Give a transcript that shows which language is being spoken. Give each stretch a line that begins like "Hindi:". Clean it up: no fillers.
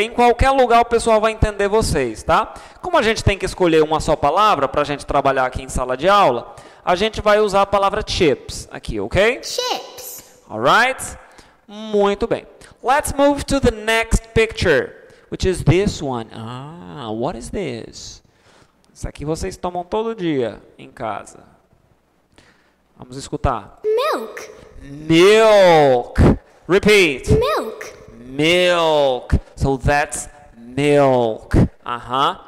Portuguese: Em qualquer lugar o pessoal vai entender vocês, tá? Como a gente tem que escolher uma só palavra para a gente trabalhar aqui em sala de aula, a gente vai usar a palavra chips aqui, ok?
English: Chips. Alright?
Portuguese: Muito bem.
English: Let's move to the next picture, which is this one. Ah, what is this?
Portuguese: Isso aqui vocês tomam todo dia em casa. Vamos escutar.
English: Milk. Milk. Repeat. Milk. Milk. So that's milk. Aham.